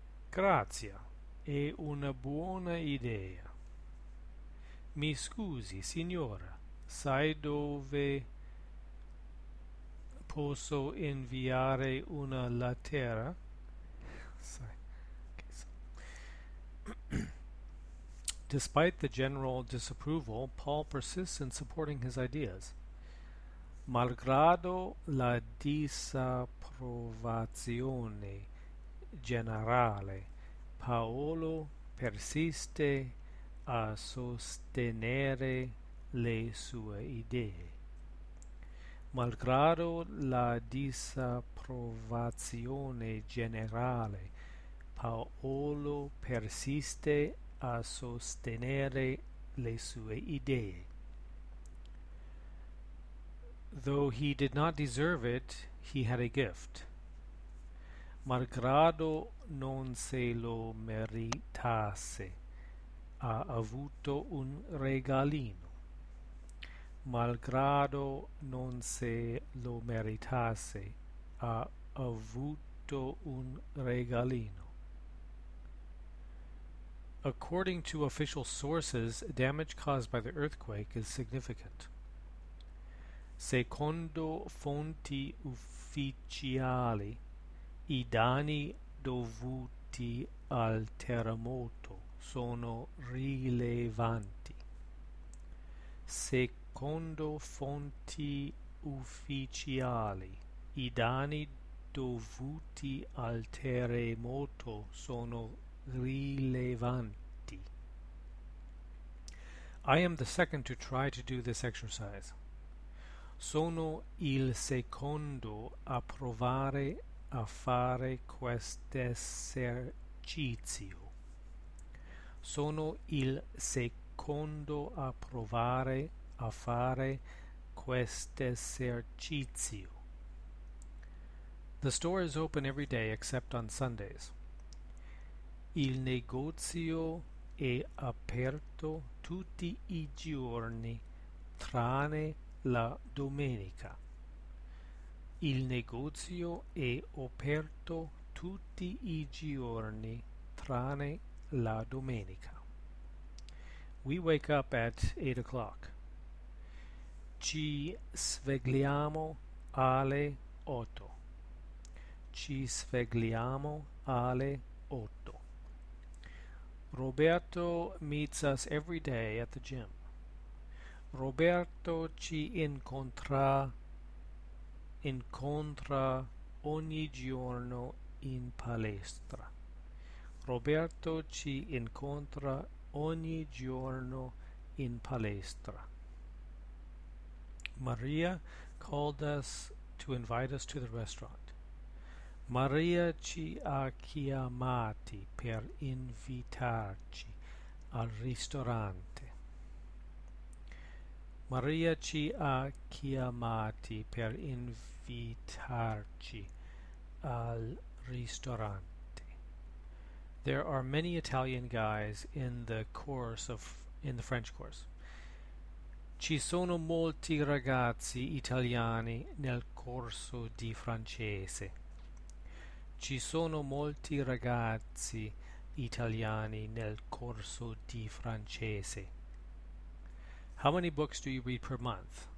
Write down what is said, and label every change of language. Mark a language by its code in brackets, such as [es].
[it] Grazie. È una buona idea. Mi scusi, signora, sai dove posso inviare una lettera? [en] Despite the general disapproval, Paul persists in supporting his ideas. [it] Malgrado la disapprovazione generale, Paolo persiste a sostenere le sue idee. Malgrado la disapprovazione generale, Paolo persiste a sostenere le sue idee. [en] Though he did not deserve it, he had a gift. [it] Malgrado non se lo meritasse, ha avuto un regalino. Malgrado non se lo meritasse, ha avuto un regalino. [en] According to official sources, damage caused by the earthquake is significant. [it] Secondo fonti ufficiali, i danni dovuti al terremoto sono rilevanti. Secondo fonti ufficiali, i danni dovuti al terremoto sono rilevanti. [en] I am the second to try to do this exercise. [it] Sono il secondo a provare a fare quest'esercizio. Sono il secondo a provare a fare quest'esercizio. [en] The store is open every day except on Sundays. [it] Il negozio è aperto tutti i giorni tranne la domenica. Il negozio è aperto tutti i giorni tranne la domenica. [en] We wake up at 8 o'clock. [it] Ci svegliamo alle 8. Ci svegliamo alle 8. [en] Roberto meets us every day at the gym. [it] Roberto ci incontra ogni giorno in palestra. Roberto ci incontra ogni giorno in palestra. [en] Maria called us to invite us to the restaurant. [it] Maria ci ha chiamati per invitarci al ristorante. Maria ci ha chiamati per invitarci al ristorante. [en] There are many Italian guys in the French course. [it] Ci sono molti ragazzi italiani nel corso di francese. Ci sono molti ragazzi italiani nel corso di francese. [en] How many books do you read per month?